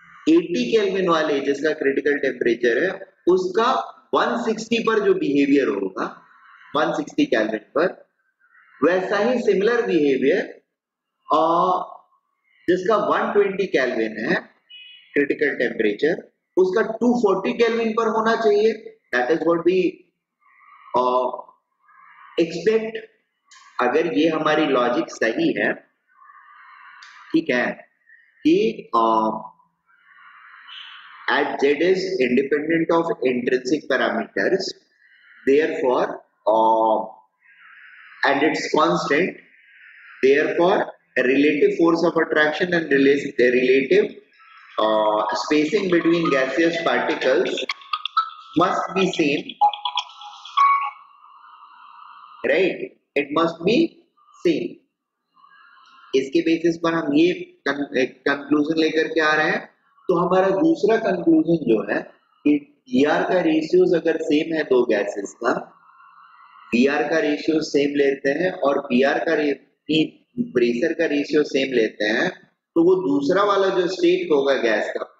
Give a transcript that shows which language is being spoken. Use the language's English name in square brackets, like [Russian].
[Hindi] 80 kelvin वाले जिसका critical temperature है उसका 160 पर जो बिहेवियर होगा 160 केल्विन पर, वैसा ही सिमिलर बिहेवियर और जिसका 120 केल्विन है क्रिटिकल टेम्परेचर उसका 240 केल्विन पर होना चाहिए, [English] That is what we expect. [Hindi] अगर ये हमारी लॉजिक सही है, ठीक है, कि [English] At Z is independent of intrinsic parameters therefore and its constant, therefore a relative force of attraction and relative spacing between gaseous particles must be same, right? It must be same. [Hindi] इसके basis पर हम ये conclusion लेकर के आ रहे हैं, तो हमारा दूसरा conclusion जो है कि TR का ratios अगर same है दो gases का, PR का रेशियो सेम लेते हैं और PR का प्रेशर का रेशियो सेम लेते हैं, तो वो दूसरा वाला जो स्टेट होगा गैस का